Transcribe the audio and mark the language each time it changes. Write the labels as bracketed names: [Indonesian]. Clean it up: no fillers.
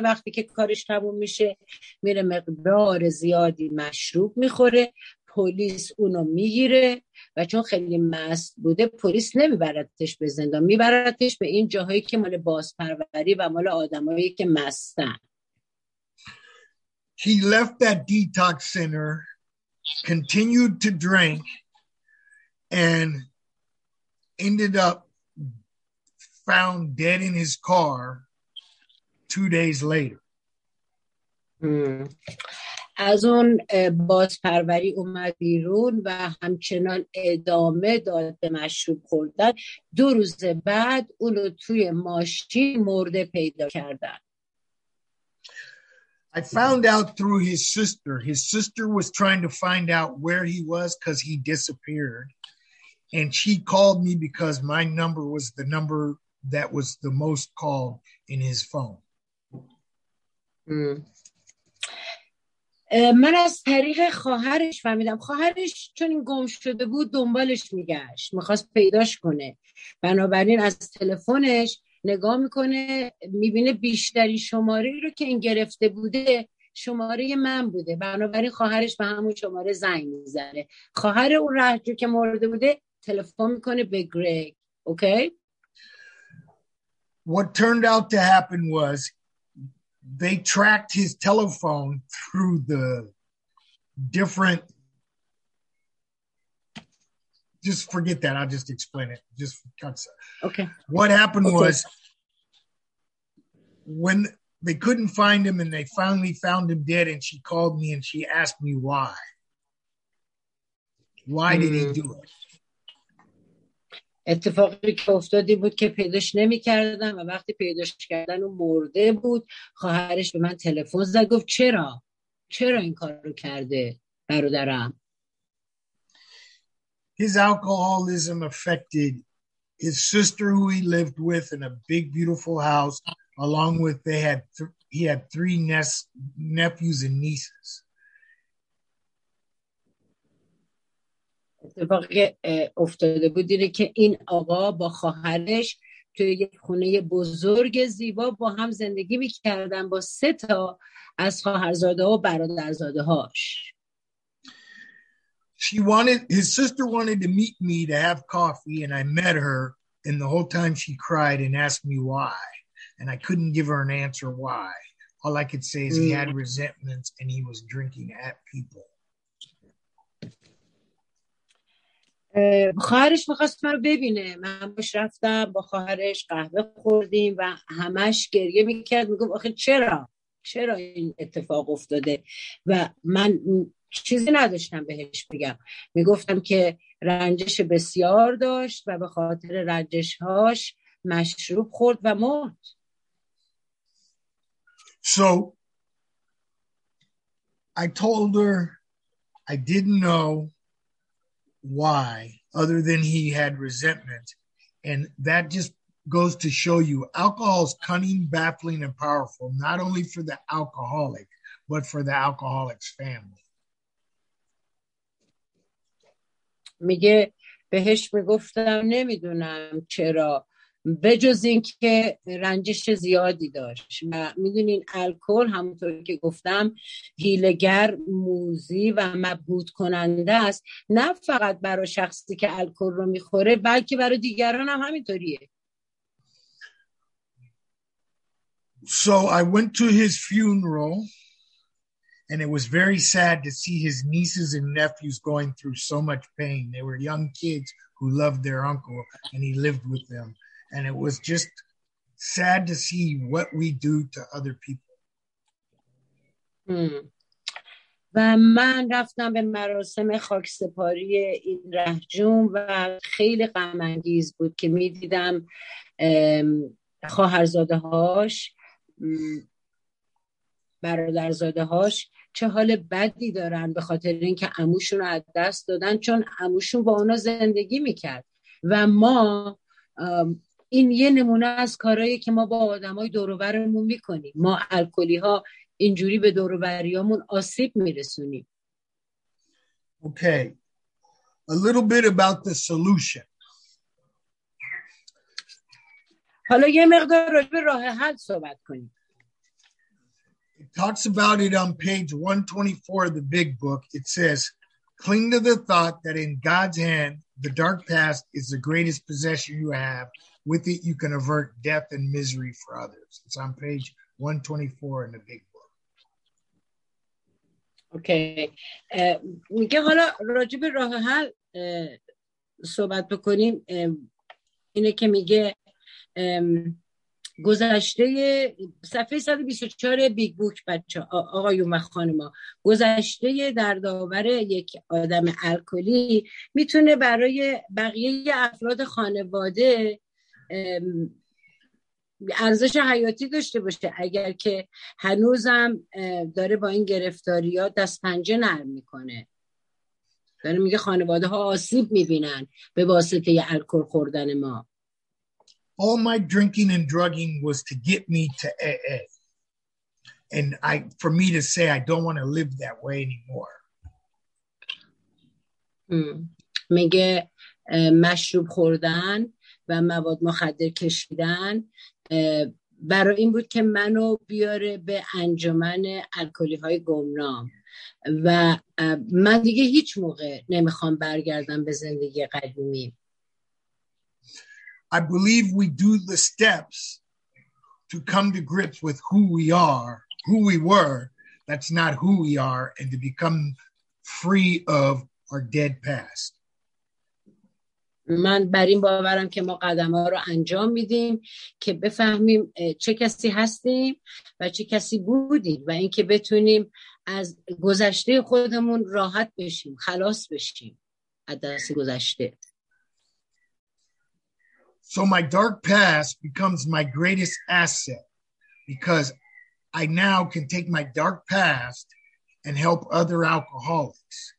[Persian] وقتی که کارش تموم میشه میره مقدار زیادی مشروب میخوره، پلیس اونو میگیره و چون خیلی مست بوده پلیس نمیبردش به زندان، میبردش به این جاهایی که مال بازپروری و مال آدمایی که مستن. [English] He left that detox center, continued to drink, and ended up found dead in his car 2 days later. [Persian] از اون بازپروری اومد بیرون و همچنان ادامه داد به مشروب خوردن. دو روز بعد اونو توی ماشین مرده پیدا کردن. [English] I found out through his sister. His sister was trying to find out where he was because he disappeared. And she called me because my number was the number that was the most called in his phone. [Persian] من از طریق خواهرش فهمیدم. خواهرش چون گم شده بود دنبالش میگشت، میخواست پیداش کنه. بنابراین از تلفنش نگاه میکنه، میبینه بیشتری شماره رو که این گرفته بوده شماره من بوده. بنابراین خواهرش به همون شماره زنگ میزنه. خواهر اون رهجو که مرده بوده تلفن میکنه به گریگ. [English] Okay. What turned out to happen was they tracked his telephone through the different. Just forget that. I'll just explain it. Just cuts. Okay. What happened was when they couldn't find him and they finally found him dead, and she called me and she asked me why. Why did he do it? [Persian] اتفاقی که افتادی بود که پیداش نمی کردم و وقتی پیداش کردن و مرده بود خواهرش به من تلفن زد گفت چرا این کار رو کرده برادرم. [English] His alcoholism affected his sister who he lived with in a big beautiful house along with he had three nephews and nieces. [Persian] اتفاقی افتاده بود اینه که این آقا با خواهرش توی یک خونه بزرگ زیبا با هم زندگی میکردن با سه تا از خواهرزاده ها و برادرزاده هاش. [English] His sister wanted to meet me to have coffee and I met her and the whole time she cried and asked me why and I couldn't give her an answer why. All I could say is he had resentments and he was drinking at people. [Persian] خواهرش می‌خواست منو ببینه. من باش رفتم با خواهرش قهوه خوردیم و همش گریه می‌کرد میگفت آخه چرا این اتفاق افتاده و من چیزی نداشتم بهش بگم. میگفتم که رنجش بسیار داشت و به خاطر رنجش‌هاش مشروب خورد و مرد. [English] So I told her I didn't know why, other than he had resentment. And that just goes to show you alcohol is cunning, baffling, and powerful, not only for the alcoholic, but for the alcoholic's family. [Persian] میگه بهش میگفتم نمیدونم چرا بجز این که رنجش زیادی داشت و میدونین الکل همونطور که گفتم هیلگر موزی و مبهوت کننده است، نه فقط برای شخصی که الکل رو میخوره بلکه برای دیگران هم همینطوریه. [English] So I went to his funeral and it was very sad to see his nieces and nephews going through so much pain. They were young kids who loved their uncle and he lived with them. And it was just sad to see what we do to other people. [Persian] و من رفتم به مراسم خاکسپاری این رهجون و خیلی غم انگیز بود که می دیدم خواهرزاده هاش برادرزاده هاش چه حال بدی دارن به خاطر اینکه عموشون رو از دست دادن، چون عموشون با اونا زندگی می کرد و ما این یه نمونه از کارهایی که ما با آدمای دور و برمون میکنیم. ما الکلی ها اینجوری به دور و بریامون آسیب میرسونیم. [English] Okay. A little bit about the solution. [Persian] حالا یه مقدار راجع به راه حل صحبت کنیم. [English] It talks about it on page 124 of the big book. It says, cling to the thought that in God's hand, the dark past is the greatest possession you have. With it, you can avert death and misery for others. It's on page 124 in the big book. Okay. [Persian] میگه حالا راجب راه حل صحبت بکنیم. اینه که میگه گذشته صفحه 124 بیگ بوک بچه آقایون و خانما، گذشته دردآور یک آدم الکلی میتونه برای بقیه افراد خانواده ارزش حیاتی داشته باشه اگر که هنوزم داره با این گرفتاری ها دست پنجه نرم میکنه. داره میگه خانواده ها آسیب میبینن به واسطه یه الکل خوردن ما. [English] All my drinking and drugging was to get me to AA and for me to say I don't want to live that way anymore. [Persian] میگه مشروب خوردن و مواد مخدر کشیدن برای این بود که منو بیاره به انجمن الکلی های گمنام و من دیگه هیچ موقع نمیخوام برگردم به زندگی قدیمی. [English] I believe we do the steps to come to grips with who we are, who we were, that's not who we are, and to become free of our dead past. [Persian] من بر این باورم که ما قدم‌ها رو انجام میدیم که بفهمیم چه کسی هستیم و چه کسی بودیم و اینکه بتونیم از گذشته خودمون راحت بشیم، خلاص بشیم از دست گذشته. [English] So my dark past becomes my greatest asset because I now can take my dark past and help other alcoholics.